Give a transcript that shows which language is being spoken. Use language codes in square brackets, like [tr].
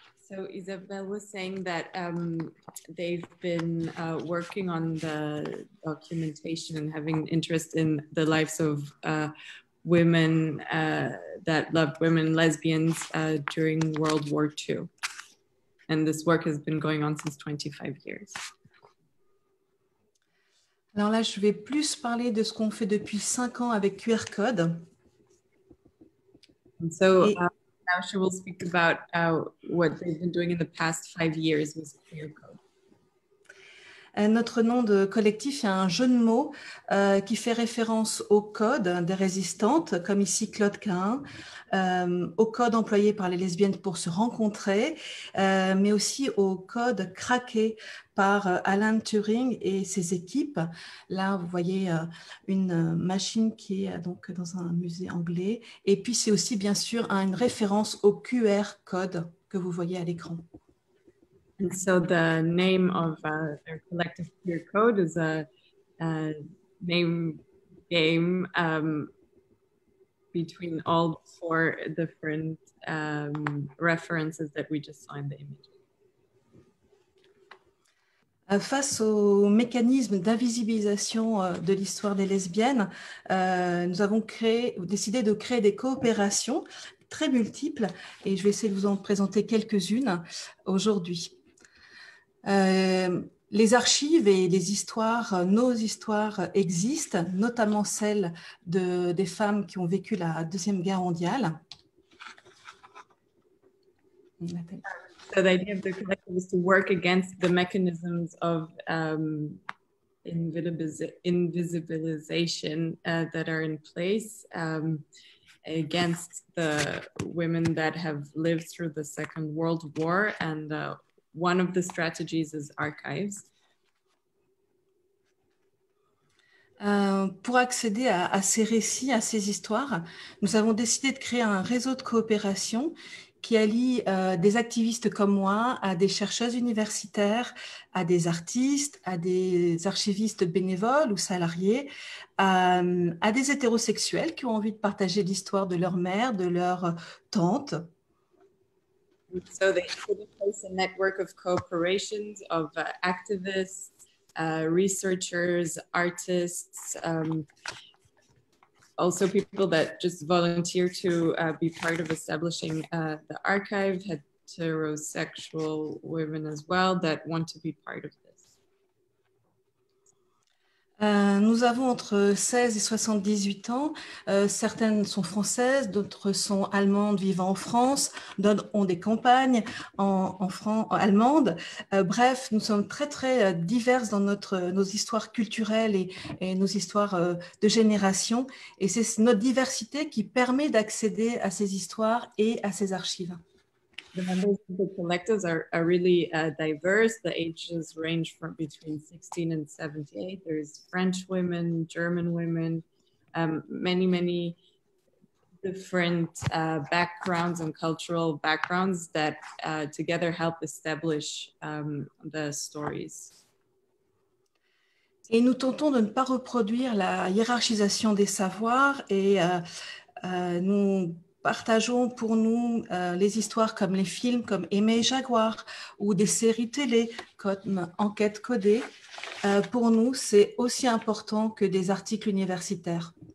[en] So Isabelle was saying that they've been working on the documentation and having interest in the lives of women that loved women, lesbians, during World War II. And this work has been going on since 25 years. [fr] Alors là, je vais plus parler de ce qu'on fait depuis 5 ans avec Queercode. [en] Now she will speak about what they've been doing in the past 5 years with Queercode. [fr] Notre nom de collectif est un jeu de mots qui fait référence au code des résistantes, comme ici Claude Cain, au code employé par les lesbiennes pour se rencontrer, mais aussi au code craqué par Alan Turing et ses équipes. Là, vous voyez une machine qui est donc dans un musée anglais. Et puis, c'est aussi, bien sûr, une référence au QR code que vous voyez à l'écran. [en] And so the name of their collective queer code is a name game between all four different references that we just saw in the image. [fr] Face au mécanisme d'invisibilisation de l'histoire des lesbiennes, nous avons décidé de créer des coopérations très multiples et je vais essayer de vous en présenter quelques-unes aujourd'hui. Les archives et les histoires, nos histoires existent, notamment celles des femmes qui ont vécu la Deuxième Guerre mondiale. [en] So the idea of the collective is to work against the mechanisms of invisibilization that are in place against the women that have lived through the Second World War and one of the strategies is archives. [fr] Pour accéder à ces récits, à ces histoires, nous avons décidé de créer un réseau de coopération qui allie des activistes comme moi à des chercheuses universitaires, à des artistes, à des archivistes bénévoles ou salariés, à des hétérosexuels qui ont envie de partager l'histoire de leur mère, de leur tante. [en] So they put in place a network of cooperations of activists, researchers, artists, also people that just volunteer to be part of establishing the archive, heterosexual women as well that want to be part of this. [fr] Nous avons entre 16 et 78 ans. Certaines sont françaises, d'autres sont allemandes vivant en France, d'autres ont des campagnes allemandes. Bref, nous sommes très, très diverses dans nos histoires culturelles et nos histoires de génération. Et c'est notre diversité qui permet d'accéder à ces histoires et à ces archives. [en] The members of the collectives are really diverse. The ages range from between 16 and 78. There's French women, German women, many, many different backgrounds and cultural backgrounds that together help establish the stories. [fr] Et nous tentons de ne pas reproduire la hiérarchisation des savoirs et nous partageons pour nous les histoires comme les films comme Aimé et Jaguar ou des séries télé comme Enquête codée, pour nous, c'est aussi important que des articles universitaires.